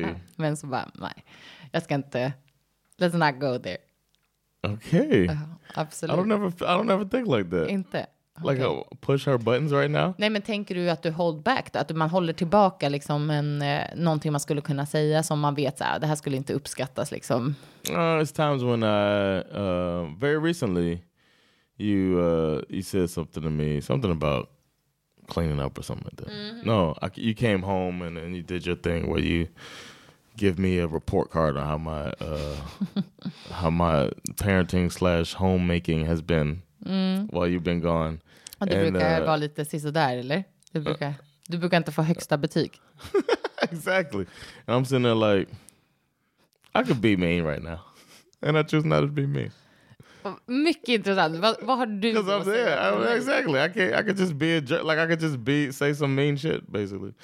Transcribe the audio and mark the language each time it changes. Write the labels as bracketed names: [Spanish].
[Swedish] Ja, men så bara, nej. Jag ska inte... [English] Let's not go there. Okay. [Swedish] Absolut. [English] I don't ever think like that. [Swedish] Inte. [English] Okay. Like, push her buttons right now? [Swedish] Nej, men tänker du att du [English] hold back? [Swedish] Att man håller tillbaka liksom någonting man skulle kunna säga som man vet så här, det här skulle inte uppskattas liksom? [English] It's times when very recently, you said something to me, something about cleaning up or something like that. Mm-hmm. No, you came home and then you did your thing where you give me a report card on how my parenting / homemaking has been. Mm. While you've been gone. [Swedish] Och du brukar vara lite sisådär, eller? Du brukar inte få högsta betyg. [English] Exactly. And I'm sitting there like, I could be mean right now. And I choose not to be mean. [Swedish] Mycket intressant. Vad har du? [English] Because I'm there. Exactly. I could just be a jerk. Like, I could just be say some mean shit, basically.